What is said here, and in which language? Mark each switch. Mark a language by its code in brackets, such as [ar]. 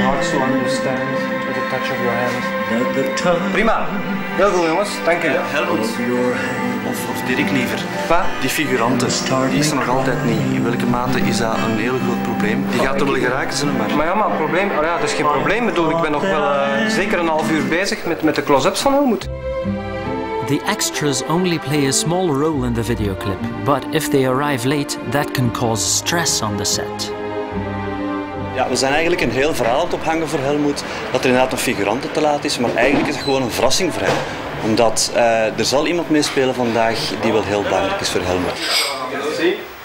[en] Hard to understand with the touch of your hand. [nl] Prima, heel goed jongens, dank je. Helmut. Of Dirk liever. Pa? Die figuranten, die is er nog altijd niet. In welke mate is dat een heel groot probleem? Die gaat er wel geraakt zijn, maar... Maar ja, maar probleem... Oh ja, dat is geen probleem. Ik ben nog wel zeker een half uur bezig met de close-ups van Helmut. [en] The extras only play a small role in the videoclip. But if they arrive late, that can cause stress on the set. [nl] Ja, we zijn eigenlijk een heel verhaal aan het ophangen voor Helmut. Dat er inderdaad een figurant te laat is. Maar eigenlijk is het gewoon een verrassing voor hem. Omdat er zal iemand meespelen vandaag die wel heel belangrijk is voor Helmut.